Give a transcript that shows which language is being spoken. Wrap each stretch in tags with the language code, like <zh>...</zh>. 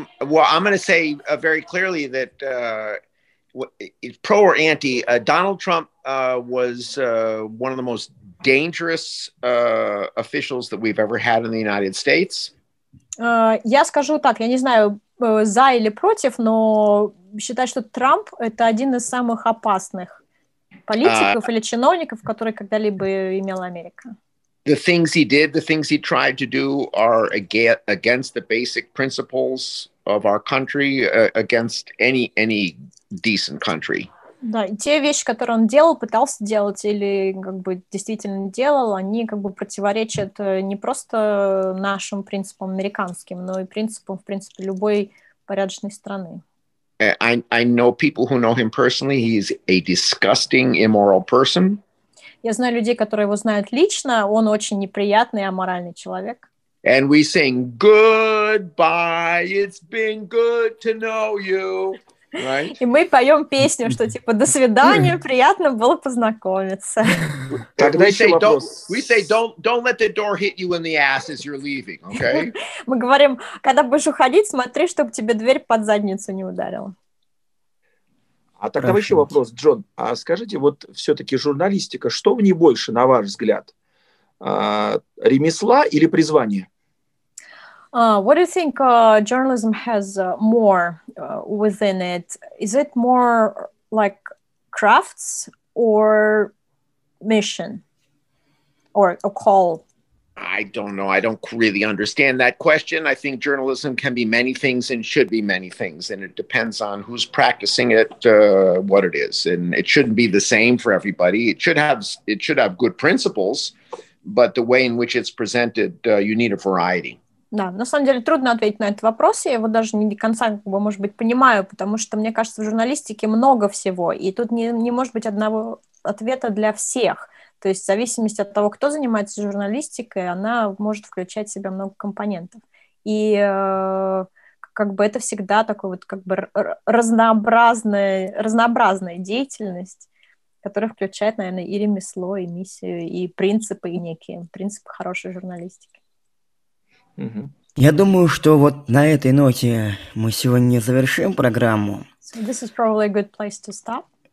<en>Well, I'm going to say very clearly that pro or anti, Donald Trump was one of the most dangerous officials that we've ever had in the United States.</en> <ru>Я скажу так, я не знаю, за или против, но считаю, что Трамп — это один из самых опасных политиков или чиновников, которые когда-либо имела Америка.</ru> <en>The things he did, the things he tried to do are against the basic principles of our country, against any decent country.</en> <ru>Да, и те вещи, которые он делал, пытался делать или как бы действительно делал, они как бы противоречат не просто нашим принципам американским, но и принципам, в принципе, любой порядочной страны.</ru> <en>I know people who know him personally. He's a disgusting, immoral person.</en> <ru>Я знаю людей, которые его знают лично. Он очень неприятный, аморальный человек.</ru> <en>And we sing goodbye, it's been good to know you. Right?</en> <ru>И мы поем песню, что типа «До свидания, приятно было познакомиться». Тогда еще вопрос.</ru> <en>We say don't let the door hit you in the ass as you're leaving, okay?</en> <ru>Мы говорим, когда будешь уходить, смотри, чтобы тебе дверь под задницу не ударила. А тогда еще вопрос, Джон. А скажите, вот все-таки журналистика, что в ней больше, на ваш взгляд? Ремесла или призвание?</ru> <en>What do you think journalism has more within it? Is it more like crafts or mission or a call? I don't know. I don't really understand that question. I think journalism can be many things and should be many things, and it depends on who's practicing it, what it is. And it shouldn't be the same for everybody. It should have good principles, but the way in which it's presented, you need a variety.</en> <ru>Да, на самом деле трудно ответить на этот вопрос, я его даже не до конца, как бы, может быть, понимаю, потому что, мне кажется, в журналистике много всего, и тут не может быть одного ответа для всех. То есть в зависимости от того, кто занимается журналистикой, она может включать в себя много компонентов. И как бы это всегда такой вот как бы разнообразная деятельность, которая включает, наверное, и ремесло, и миссию, и принципы некие, принципы хорошей журналистики. Я думаю, что вот на этой ноте мы сегодня завершим программу.</ru> <en>So this is probably a good place to stop.</en>